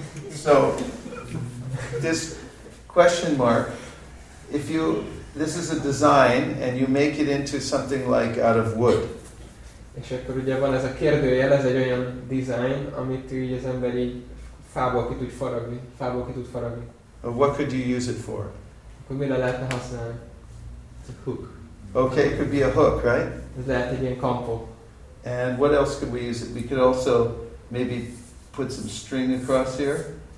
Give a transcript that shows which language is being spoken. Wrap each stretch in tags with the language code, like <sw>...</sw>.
<en>So, this question mark, if you, this is a design, and you make it into something like out of wood.</en> <hu>És akkor ugye van ez a kérdőjel, ez egy olyan design, amit így az ember így fából ki tud faragni.</hu> <en>Or what could you use it for?</en> <hu>Akkor mire lehetne használni?</hu> <en>It's a hook. Okay, it could be a hook, right?</en> <hu>Ez lehet egy ilyen kampó.</hu> <en>And what else could we use it? We could also maybe put some string across here.</en>